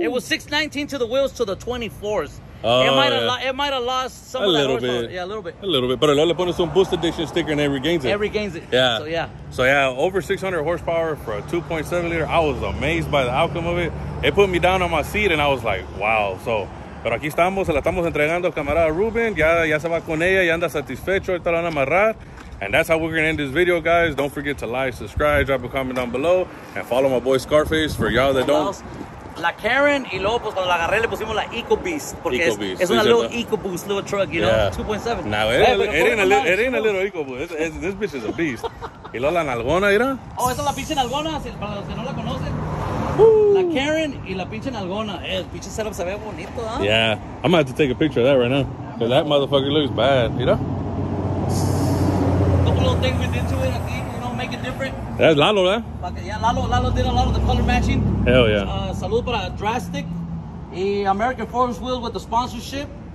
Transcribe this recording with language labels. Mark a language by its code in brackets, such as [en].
[en] It was 619 to the wheels to the 24s. It might have lost a little bit. But Lola put some boost addiction sticker and it regains it. It regains it. Yeah. So yeah. So yeah, over 600 horsepower for a 2.7 liter. I was amazed by the outcome of it. It put me down on my seat and I was like, wow. [es] So, pero aquí estamos, se la estamos entregando al camarada Ruben. Ya se va con ella, ya anda satisfecho, está la van a amarrar. [en] And that's how we're going to end this video, guys. Don't forget to like, subscribe, drop a comment down below, and follow my boy Scarface for y'all that don't. [es] La Karen, y luego, pues, cuando la agarré, le pusimos la EcoBeast. Porque es una [en] little EcoBoost, little truck, you know, 2.7. Now, it ain't a little EcoBoost. This bitch is a beast. [es] Y luego la nalgona, mira. Oh, esa es la pinche nalgona, para los que no la conocen. Woo. La Karen y la pinche nalgona. El pinche setup se ve bonito, ¿eh? [en] Yeah, I'm going to have to take a picture of that right now. Because that motherfucker looks bad, [es] mira. [en] Little thing we did to it, you know, make it different. That's Lalo, right? Yeah, Lalo did a lot of the color matching. Hell yeah. [es] Salud para Drastic, American Forest Wheels with the sponsorship.